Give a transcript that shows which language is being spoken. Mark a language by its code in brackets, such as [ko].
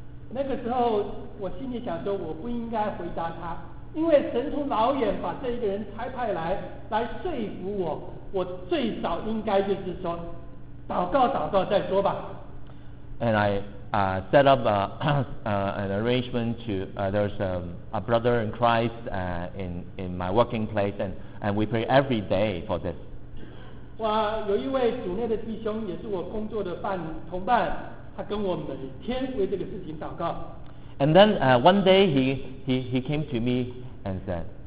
[zh] 那个时候我心里想说我不应该回答他，因为神从老远把这一个人差派来说服我，我最少应该就是说祷告祷告再说吧。 [en] And I set up an arrangement to there's a brother in Christ in my working place, and we pray every day for this. [zh] 哇，有一位主内的弟兄也是我工作的同伴，他跟我每天为这个事情祷告。 [en] And then one day he came to me and said,